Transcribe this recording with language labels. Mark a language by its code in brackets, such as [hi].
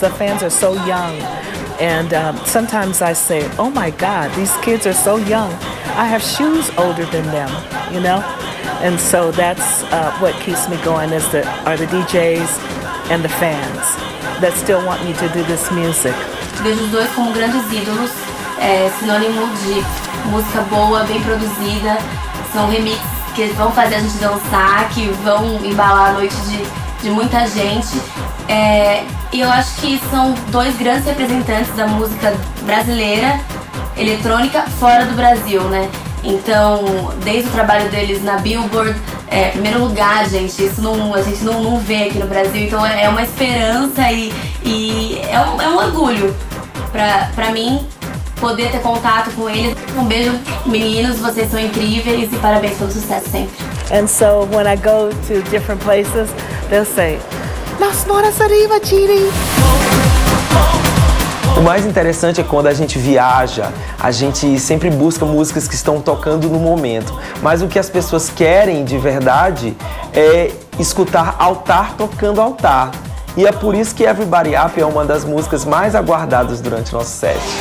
[en] The fans are so young. And sometimes I say, oh my God, these kids are so young. I have shoes older than them, you know? And so that's what keeps me going is are the DJs and the fans that still want me to do this music. [pt] Vejo os dois como grandes ídolos, sinônimo de música boa, bem produzida. São remixes que vão fazer a gente dançar, que vão embalar a noite de muita gente. E eu acho que são dois grandes representantes da música brasileira, eletrônica, fora do Brasil, né? Então, desde o trabalho deles na Billboard, primeiro lugar, gente, isso não, a gente não vê aqui no Brasil, então é uma esperança e é um orgulho pra mim poder ter contato com eles. Um beijo, meninos, vocês são incríveis e parabéns pelo sucesso sempre. [en] And so, when I go to different places, they'll say, Las Moras Arriba, Chiri! [pt] O mais interessante é quando a gente viaja, a gente sempre busca músicas que estão tocando no momento. Mas o que as pessoas querem de verdade é escutar altar tocando altar. E é por isso que Everybody Up é uma das músicas mais aguardadas durante o nosso set.